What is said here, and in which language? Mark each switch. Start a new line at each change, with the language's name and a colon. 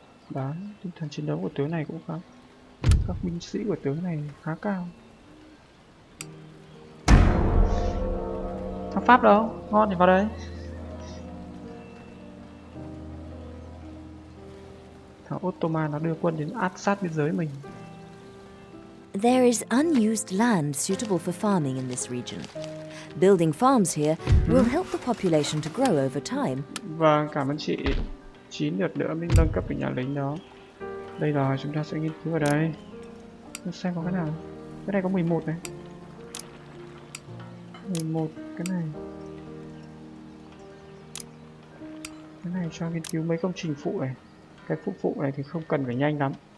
Vietnamese: Đó, tinh thần chiến đấu của tướng này cũng khá. Các binh sĩ của tướng này khá cao. Thằng Pháp đâu? Ngon thì vào đây. Thằng Ottoman nó đưa quân đến áp sát biên giới mình.
English: There is unused land suitable for farming in this region. Building farms here will help the population to grow over time.
Vietnamese: Vâng, cảm ơn chị. 9 lượt nữa mình nâng cấp cái nhà lính đó. Đây rồi, chúng ta sẽ nghiên cứu ở đây. Xem có cái nào. Cái này có 11 này. 11 cái này. Cái này cho nghiên cứu mấy công trình phụ này. Cái phụ này thì không cần phải nhanh lắm.